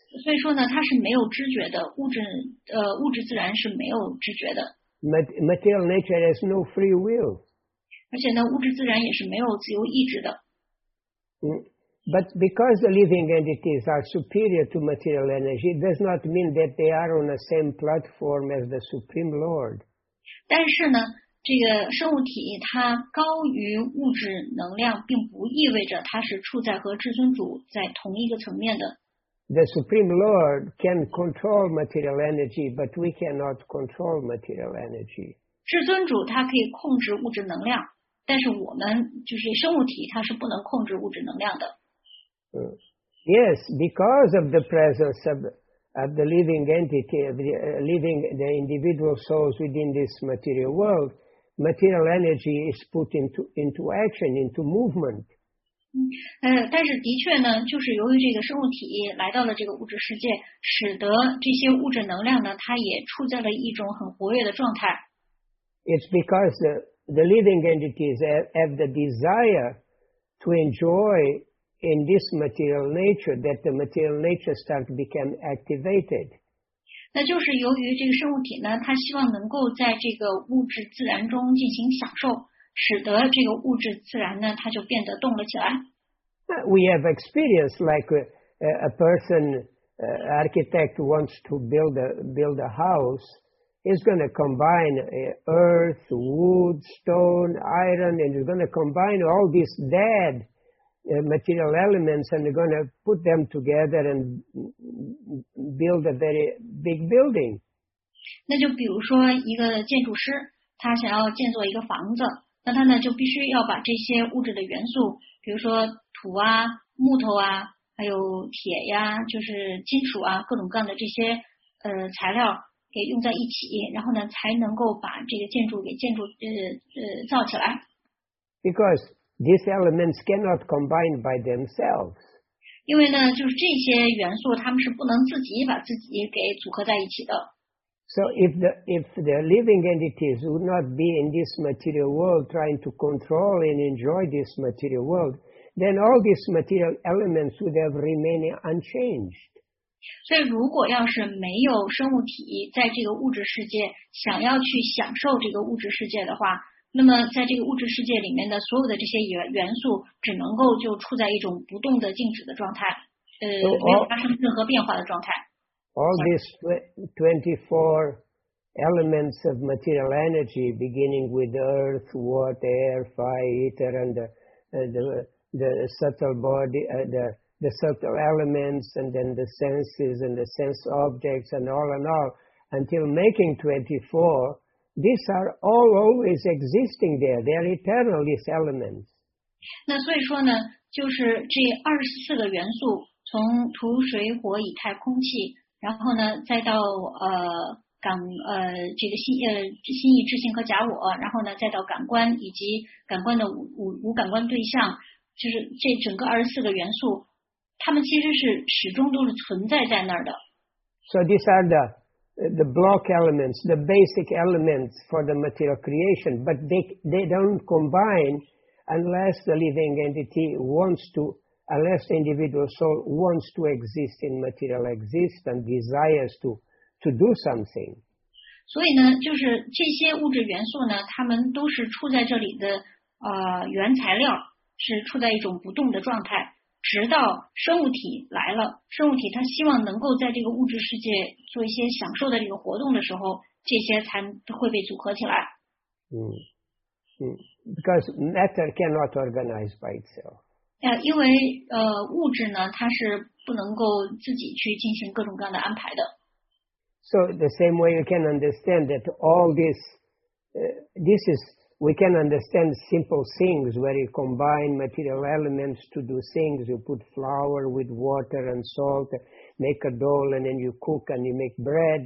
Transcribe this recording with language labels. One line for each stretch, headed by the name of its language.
Chinese: 所以说呢，它是没有知觉的。物质自然是没有知觉的。
English: Material nature has no free will.
Chinese: 而且呢，物质自然也是没有自由意志的。
English: But because the living entities are superior to material energy, it does not mean that they are on the same platform as the Supreme Lord.
Chinese: 但是呢。这个生物体它高于物质能量，并不意味着它是处在和至尊主在同一个层面的。
English: The Supreme Lord can control material energy, but we cannot control material energy.
Chinese: 至尊主它可以控制物质能量，但是我们就是生物体，它是不能控制物质能量的。
English: Yes, because of the presence of the living entity, of the individual souls within this material world. Material energy is put into action, into movement.
Chinese: 但是的确呢，就是由于这个生物体来到了这个物质世界，使得这些物质能量呢，它也处在了一种很活跃的状态。
English: It's because the living entities have the desire to enjoy in this material nature that the material nature starts to become activated.
Chinese: 那就是由于这个生物体呢，它希望能够在这个物质自然中进行享受，使得这个物质自然呢，它就变得动了起来。
English: We have experience like a person, architect wants to build a house, is going to combine earth, wood, stone, iron, and is going to combine all this dead material elements and they're going to put them together and build a very big building.
Chinese: 那就比如说一个建筑师，他想要建造一个房子，那他呢就必须要把这些物质的元素，比如说土啊、木头啊、还有铁呀、就是金属啊、各种各样的这些材料给用在一起，然后呢才能够把这个建筑给造起来。
English: Because these elements cannot combine by themselves.
Chinese: 因为呢，就是这些元素他们是不能自己把自己给组合在一起的。
English: So if the living entities would not be in this material world trying to control and enjoy this material world, then all these material elements would have remained unchanged.
Chinese: 所以如果要是没有生物体在这个物质世界想要去享受这个物质世界的话，那么在这个物质世界里面的所有的这些元素只能够就处在一种不动的静止的状态，没有发生任何变化的状态。
English: All these 24 elements of material energy, beginning with earth, water, air, fire, ether, and the subtle elements, and then the senses and the sense objects, and all, until making 24, these are all always existing there. They are eternal, these elements.
Chinese: 那所以说呢，就是这24个元素，从土、水、火、以太、空气。然后呢，再到这个心意、知性和假我，然后呢，再到感官以及感官的五感官对象，就是这整个24个元素，它们其实是始终都是存在在那儿的。
English: So these are the block elements, the basic elements for the material creation, but they don't combine unless the living entity wants to. Unless the individual soul wants to exist in material existence, desires to do something.
Chinese: 所以呢，就是这些物质元素呢，它们都是处在这里的原材料，是处在一种不动的状态，直到生物体来了。生物体它希望能够在这个物质世界做一些享受的这个活动的时候，这些才会被组合起来。
English: Because matter cannot organize by itself.
Chinese: 因为物质呢，它是不能够自己去进行各种各样的安排的。
English: So the same way you can understand that all this, this is we can understand simple things where you combine material elements to do things. You put flour with water and salt, make a dough, and then you cook and you make bread.